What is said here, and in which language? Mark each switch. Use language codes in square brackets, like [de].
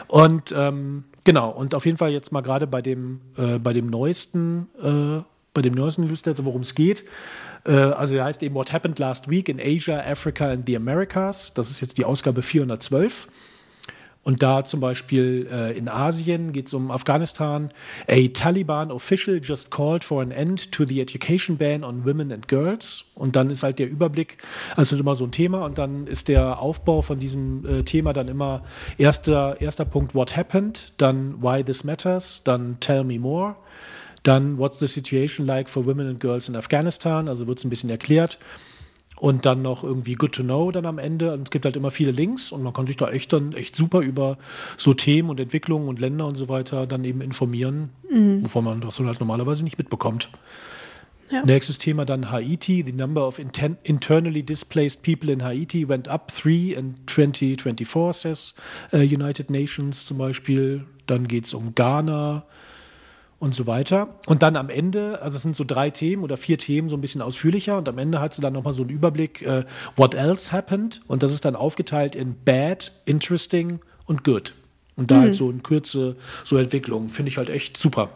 [de] Und und auf jeden Fall jetzt mal gerade bei dem neuesten Newsletter, worum es geht. Also der heißt eben What Happened Last Week in Asia, Africa and the Americas. Das ist jetzt die Ausgabe 412. Und da zum Beispiel in Asien geht es um Afghanistan. [en] A Taliban official just called for an end to the education ban on women and girls. [de] Und dann ist halt der Überblick, also immer so ein Thema. Und dann ist der Aufbau von diesem Thema dann immer erster Punkt, [en] what happened? [de] Dann [en] why this matters? Dann tell me more. [de] Dann [en] what's the situation like for women and girls in Afghanistan? [de] Also wird es ein bisschen erklärt. Und dann noch irgendwie [en] good to know [de] dann am Ende. Und es gibt halt immer viele Links und man kann sich da echt super über so Themen und Entwicklungen und Länder und so weiter dann eben informieren, wovon man das halt normalerweise nicht mitbekommt. Ja. Nächstes Thema dann Haiti. [en] The number of internally displaced people in Haiti went up 3 in 2024, says United Nations [de] zum Beispiel. Dann geht es um Ghana und so weiter. Und dann am Ende, also es sind so drei Themen oder vier Themen, so ein bisschen ausführlicher. Und am Ende hast du dann nochmal so einen Überblick, [en] what else happened? [de] Und das ist dann aufgeteilt in bad, interesting und good. Und da halt so in Kürze so Entwicklung. Finde ich halt echt super.